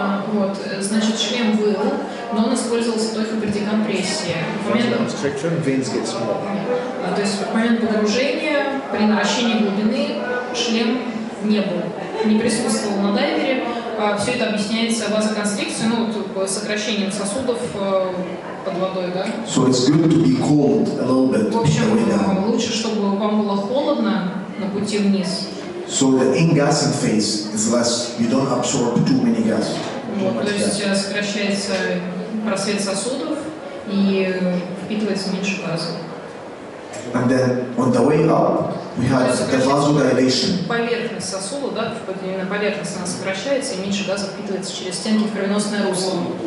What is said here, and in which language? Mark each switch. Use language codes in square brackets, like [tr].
[ru] Вот, значит, шлем был, но он использовался только при декомпрессии. То есть в момент погружения, при наращении глубины, шлем не был, не присутствовал на дайвере. Все это объясняется вазоконстрикцией, ну, сокращением сосудов под водой, да? [en] So it's good to be cold a little bit. [ru] В общем, лучше, чтобы вам было холодно на пути вниз. [en] So the ingassing phase is less. You don't absorb too many gas. [ru] То есть сокращается просвет сосудов и впитывается меньше газа. [en] And then on the way up, we have the vasodilation. [ru] Поверхность сосуда, да, на поверхность она сокращается и меньше газа впитывается через стенки в кровеносное русло.